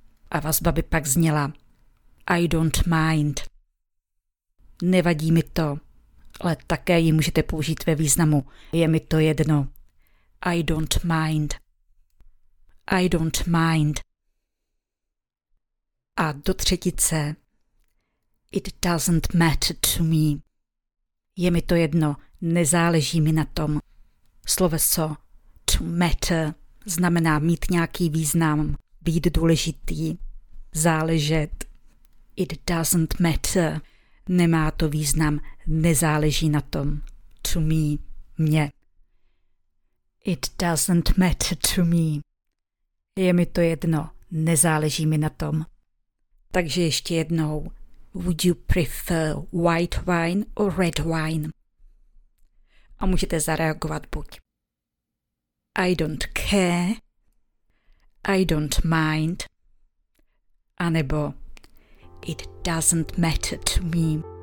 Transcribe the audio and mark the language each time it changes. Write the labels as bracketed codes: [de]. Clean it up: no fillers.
[cs] A vazba by pak zněla [en] I don't mind. [cs] Nevadí mi to, ale také ji můžete použít ve významu. Je mi to jedno. [en] I don't mind. I don't mind. [cs] A do třetice. [en] It doesn't matter to me. [cs] Je mi to jedno, nezáleží mi na tom. Sloveso to matter znamená mít nějaký význam, být důležitý, záležet. [en] It doesn't matter. [cs] Nemá to význam, nezáleží na tom. [en] To me, mě. It doesn't matter to me. [cs] Je mi to jedno, nezáleží mi na tom. Takže ještě jednou. [en] Would you prefer white wine or red wine? [cs] A můžete zareagovat buď. [en] I don't care. I don't mind. [cs] A nebo [en] it doesn't matter to me.